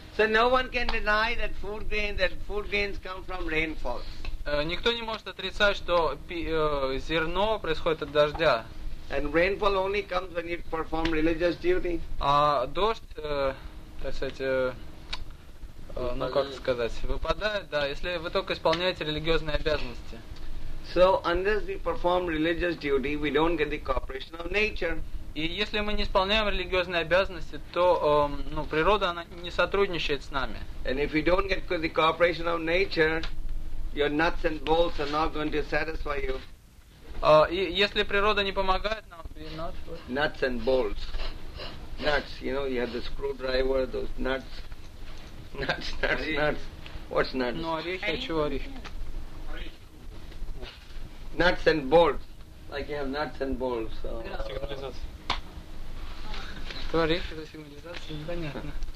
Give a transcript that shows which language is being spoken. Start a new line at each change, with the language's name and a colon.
English: So no one can deny that food grains come from rainfall.
Russian: Никто не может отрицать, что зерно происходит от дождя.
English: And rainfall only comes when you perform religious duty.
Russian: А дождь, так сказать, ну как сказать, выпадает, да, если вы только исполняете религиозные обязанности.
English: So unless we perform religious duty, we don't get the cooperation of nature.
Russian: И если мы не исполняем религиозные обязанности, то природа она не сотрудничает с нами.
English: And if we don't get the cooperation of nature, your nuts and bolts are not going to satisfy you.
Russian: И если природа не помогает нам,
English: nuts and bolts. Nuts, you know, you have the screwdriver, those nuts. Nuts. What's nuts?
Russian: Ну, орехи, а чего орехи?
English: Nuts and bolts. Like you have nuts and bolts.
Russian: Что орехи, это сигнализация, непонятно.